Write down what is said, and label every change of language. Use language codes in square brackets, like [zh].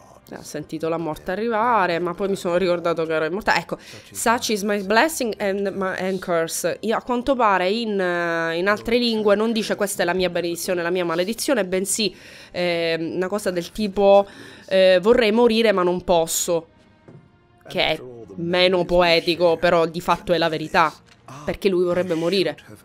[it] Ho sentito la morte arrivare, ma poi mi sono ricordato che ero immortale. [en] Ecco, such is my blessing and my curse. [it] Io, a quanto pare in altre lingue non dice questa è la mia benedizione, la mia maledizione, bensì una cosa del tipo vorrei morire ma non posso. Che è meno poetico, però di fatto è la verità. Perché lui vorrebbe morire.